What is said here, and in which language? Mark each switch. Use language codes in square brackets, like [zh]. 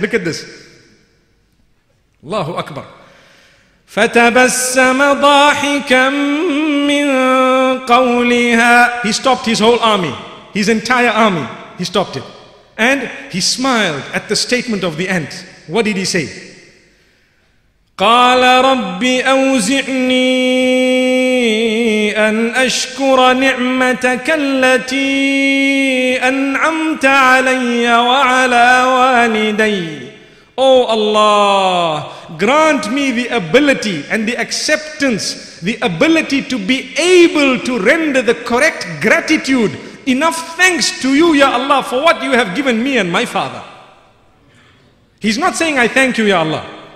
[en] Look at this. Allahu Akbar. [ar] فَتَبَسَّمَ ضَاحِكًا مِّن قَوْلِهَا. [en] He stopped his whole army. His entire army. He stopped it. And he smiled at the statement of the ant. What did he say? [ar] قَالَ رَبِّ أَوْزِعْنِي أن أشكر نعمتك التي أنعمت علي وعلى والدي. [en] Oh Allah, grant me the ability and the acceptance, the ability to be able to render the correct gratitude, enough thanks to you, Ya Allah, for what you have given me and my father. He's not saying, I thank you, Ya Allah.